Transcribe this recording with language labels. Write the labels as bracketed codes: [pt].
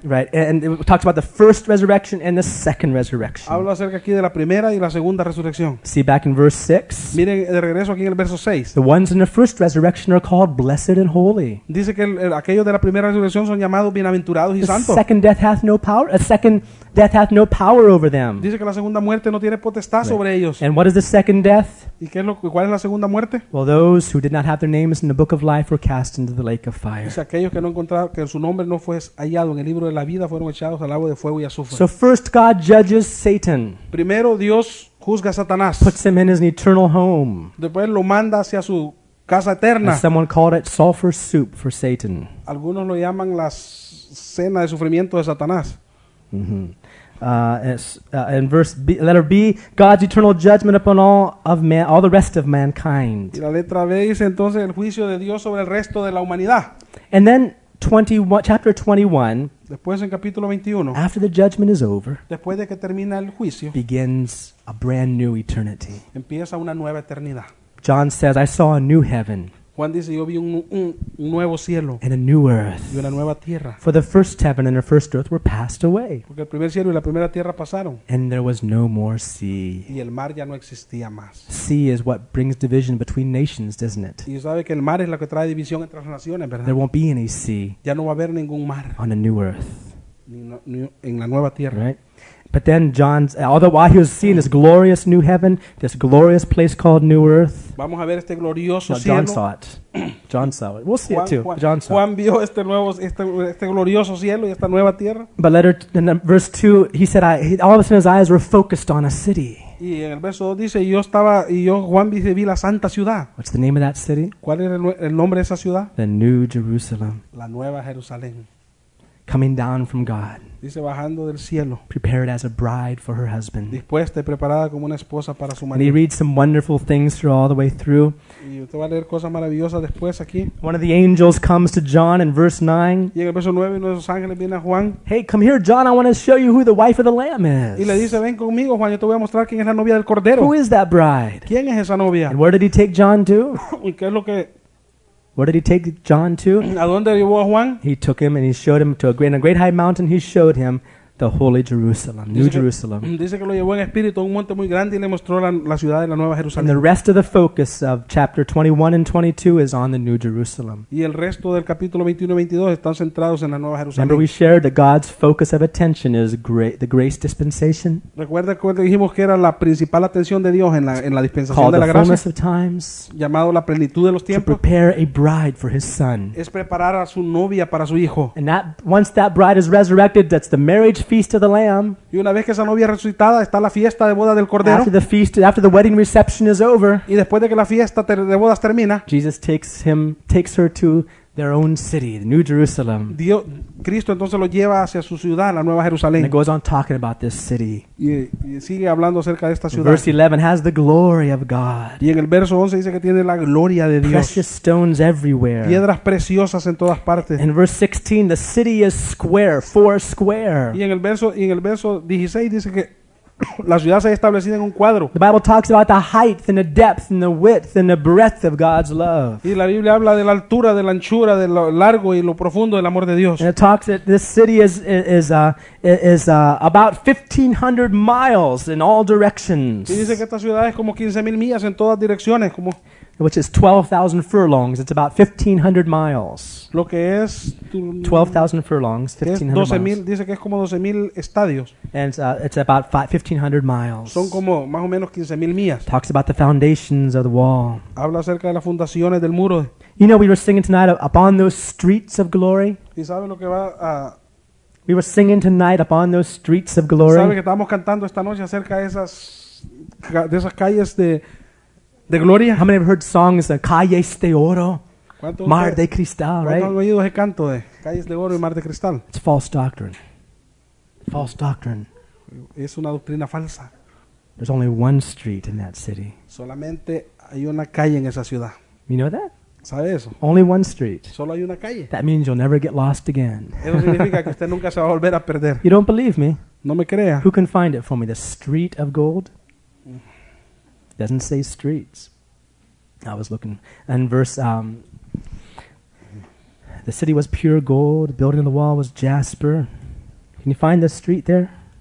[en] Right, and it talks about the first resurrection and the second resurrection. [es] Hablo acerca aquí de la primera y la segunda resurrección. [en] See back in verse 6. [es] Miren de regreso aquí en el verso 6. [en] The ones in the first resurrection are called blessed and holy. [es] Dice que aquellos de la primera resurrección son llamados bienaventurados y santos. [en] A second death hath no power over them. [es] Dice que la segunda muerte no tiene potestad sobre ellos. [en] And what is the second death? [es] ¿Y cuál es la segunda muerte? [en] Well, those who did not have their names in the book of life were cast into the lake of fire. [es] Dice aquellos que no encontraron que su nombre no fue hallado en el libro de la vida fueron echados al agua de fuego y azufre. [en] So first God judges Satan. [es] Primero Dios juzga a Satanás. [en] Puts him in his eternal home. [es] Después lo manda hacia su casa eterna. [en] And someone called it sulfur soup for Satan. [es] Algunos lo llaman la cena de sufrimiento de Satanás. [en] Mm-hmm. In verse B, letter B, God's eternal judgment upon all the rest of mankind. [es] Y la letra B dice entonces el juicio de Dios sobre el resto de la humanidad. [en] And then chapter 21. [es] Después en capítulo 21. [en] After the judgment is over. [es] Después de que termina el juicio. [en] Begins a brand new eternity. [es] Empieza una nueva eternidad. [en] John says, "I saw a new heaven." [es] Juan dice, yo vi un nuevo cielo [en] and a new earth. [es] Y una nueva tierra. [en] For the first heaven and the first earth were passed away. [es] Porque el primer cielo y la primera tierra pasaron. [en] And there was no more sea. [es] Y el mar ya no existía más. [en] Sea is what brings division between nations, doesn't it? [es] Y sabe que el mar es lo que trae división entre las naciones, ¿verdad? [en] There won't be any sea. [es] Ya no va a haber ningún mar. [en] On a new earth. [es] en la nueva tierra. [en] Right? But then John's, although while he was seeing this glorious new heaven, this glorious place called New Earth, [es] vamos a ver este glorioso [en] no, John saw it. John saw it. We'll see [es] Juan, [en] it too. John saw [es] Juan vio este nuevo, este glorioso cielo y esta nueva tierra. [en] But later, in verse 2, he said, all of a sudden his eyes were focused on a city. [es] Y en el verso 2 dice, yo estaba, y yo, Juan, vi la santa ciudad. [en] What's the name of that city? [es] ¿Cuál era el nombre de esa ciudad? [en] The New Jerusalem. [es] La nueva Jerusalén. [en] Coming down from God. [es] Dice, bajando del cielo. [en] Prepared as a bride for her husband. [es] Dispuesta y preparada como una esposa para su marido. [en] And he reads some wonderful things through all the way through. [es] Y usted va a leer cosas maravillosas después aquí. [en] One of the angels comes to John in verse 9. [es] Y en el verso 9, uno de los ángeles viene a Juan. [en] Hey, come here, John, I want to show you who the wife of the Lamb is. [es] Y le dice, ven conmigo, Juan, yo te voy a mostrar quién es la novia del Cordero. [en] Who is that bride? [es] ¿Quién es esa novia? [en] And where did he take John to? [es] ¿Y qué es lo que... [en] Where did he take John to? [es] ¿A dónde llevó a Juan? [en] He took him and he showed him to a great high mountain. He showed him the holy Jerusalem, New Jerusalem. [es] Dice que lo llevó en espíritu a un monte muy grande y le mostró la ciudad de la nueva Jerusalén. [en] And the rest of the focus of chapter 21 and 22 is on the New Jerusalem. [es] Y el resto del capítulo 21 y 22 están centrados en la nueva Jerusalén. [en] Remember we shared that God's focus of attention is the grace dispensation. [es] Recuerda que dijimos que era la principal atención de Dios en la dispensación de la gracia. [en] The fullness of times. [es] Llamado la plenitud de los tiempos. [en] To prepare a bride for His Son. [es] Es preparar a su novia para su hijo. [en] And that once that bride is resurrected, that's the marriage feast of the Lamb. [es] Y una vez que esa novia resucitada está la fiesta de boda del Cordero. [en] After the feast, after the wedding reception is over. [es] Y después de que la fiesta de bodas termina. [en] Jesus takes her to their own city, the New Jerusalem. [es] Dios, Cristo entonces lo lleva hacia su ciudad, la nueva Jerusalén. [en] And goes on talking about this city. [es] Y sigue hablando acerca de esta ciudad. [en] Verse 11 has the glory of God. [es] Y en el verso 11 dice que tiene la gloria de Dios. [en] Precious stones everywhere. [es] Piedras preciosas en todas partes. [en] In verse 16, the city is square, four square. [es] Y en el verso 16 dice que la ciudad se ha establecido en un cuadro. [en] The Bible talks about the height and the depth and the width and the breadth of God's love. [es] Y la Biblia habla de la altura, de la anchura, de lo largo y lo profundo del amor de Dios. [en] And it talks that this city is about 1,500 miles in all directions. [es] Y dice que esta ciudad es como 15,000 millas en todas direcciones, como [en] which is 12,000 furlongs. It's about 1,500 miles. [es] Lo que es [en] 12,000 furlongs, 1,500 miles. [es] Dice que es como 12,000 estadios. [en] And it's about 1,500 miles. [es] Son como más o menos 15,000 millas. [en] Talks about the foundations of the wall. [es] Habla acerca de las fundaciones del muro. [en] You know, we were singing tonight upon those streets of glory. [es] ¿Y sabe lo que va a [en] We were singing tonight upon those streets of glory. [es] ¿Sabe que estábamos cantando esta noche acerca de esas calles de gloria? [en] How many have heard songs of [es] Calles de Oro, Mar de Cristal, [en] right? [es] ¿Cuántos han oído ese canto de Calles de Oro y Mar de Cristal? [en] It's false doctrine. False doctrine. [es] Es una doctrina falsa. [en] There's only one street in that city. [es] Solamente hay una calle en esa ciudad. [en] You know that? [es] ¿Sabe eso? [en] Only one street. [es] Solo hay una calle. [en] That means you'll never get lost again. [es] Eso significa que usted nunca se va a volver a perder. [en] You don't believe me? [es] No me crea. [en] Who can find it for me? The street of gold? Doesn't say streets. I was looking. And verse, the city was pure gold. The building of the wall was jasper. Can you find the street there?